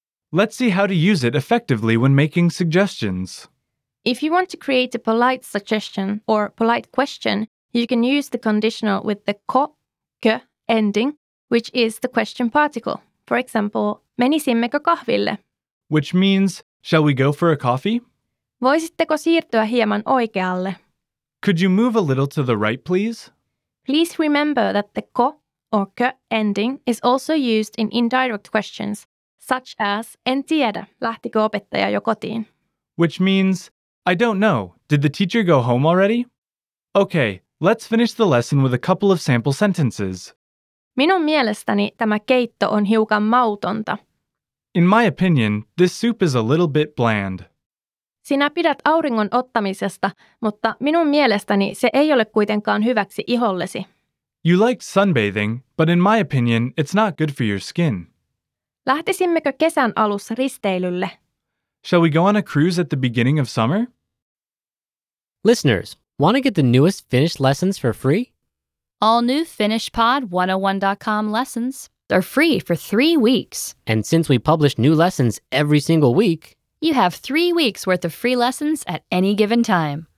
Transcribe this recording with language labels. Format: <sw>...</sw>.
<en>Let's see how to use it effectively when making suggestions. If you want to create a polite suggestion or polite question, you can use the conditional with the ko, kö ending, which is the question particle. For example,</en> <fi>menisimmekö kahville?</fi> <en>Which means, shall we go for a coffee?</en> <fi>Voisitteko siirtyä hieman oikealle?</fi> <en>Could you move a little to the right, please? Please remember that the ko or kö ending is also used in indirect questions, such as</en> <fi>en tiedä, lähtikö opettaja jo kotiin?</fi> <en>Which means, I don't know, did the teacher go home already? Okay, let's finish the lesson with a couple of sample sentences.</en> <fi>Minun mielestäni tämä keitto on hiukan mautonta.</fi> <en>In my opinion, this soup is a little bit bland.</en> <fi>Sinä pidät auringon ottamisesta, mutta minun mielestäni se ei ole kuitenkaan hyväksi ihollesi.</fi> <en>You like sunbathing, but in my opinion, it's not good for your skin.</en> <fi>Lähtisimmekö kesän alussa risteilylle?</fi> <en>Shall we go on a cruise at the beginning of summer? Listeners, want to get the newest Finnish lessons for free? All new FinnishPod101.com lessons are free for 3 weeks. And since we publish new lessons every single week, you have 3 weeks worth of free lessons at any given time.</en>